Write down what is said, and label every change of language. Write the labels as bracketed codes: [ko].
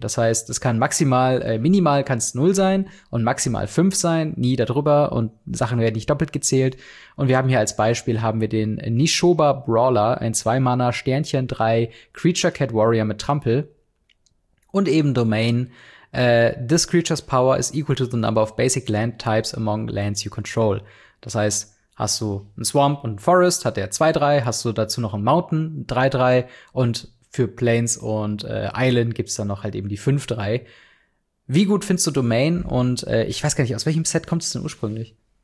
[de] Das heißt, es kann maximal, minimal kann es 0 sein und maximal 5 sein, nie darüber und Sachen werden nicht doppelt gezählt. Und wir haben hier als Beispiel haben wir den Nishoba Brawler, ein 2-Mana Sternchen 3 Creature Cat Warrior mit Trampel und eben Domain. [en] This creature's power is equal to the number of basic land types among lands you control. [de] Das heißt, hast du einen Swamp und einen Forest, hat der 2-3, hast du dazu noch einen Mountain, 3-3 und für Plains und Island gibt's dann noch halt eben die 5-3. Wie gut findest du Domain? Und ich weiß gar nicht, aus welchem Set kommt es denn ursprünglich?